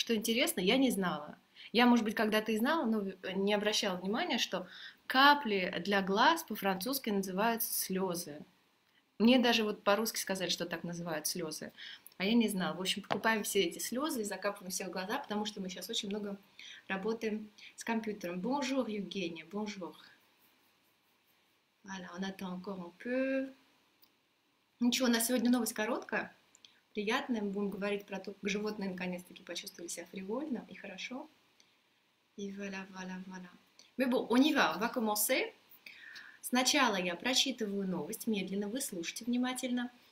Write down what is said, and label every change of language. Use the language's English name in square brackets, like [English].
[Russian] Что интересно, я не знала. Я, может быть, когда-то и знала, но не обращала внимания, что капли для глаз по-французски называются слезы. Мне даже вот по-русски сказали, что так называют слезы, а я не знала. В общем, покупаем все эти слезы и закапываем все в глаза, потому что мы сейчас очень много работаем с компьютером. [French] Bonjour, Евгения, bonjour. Voilà, on attend encore un peu. [Russian] Ничего, у нас сегодня новость короткая, приятная. Мы будем говорить про то, как животные наконец-таки почувствовали себя фривольно и хорошо. [French] И voilà. Mais bon, on y va, on va commencer. [Russian] Сначала я прочитываю новость медленно, вы слушайте внимательно.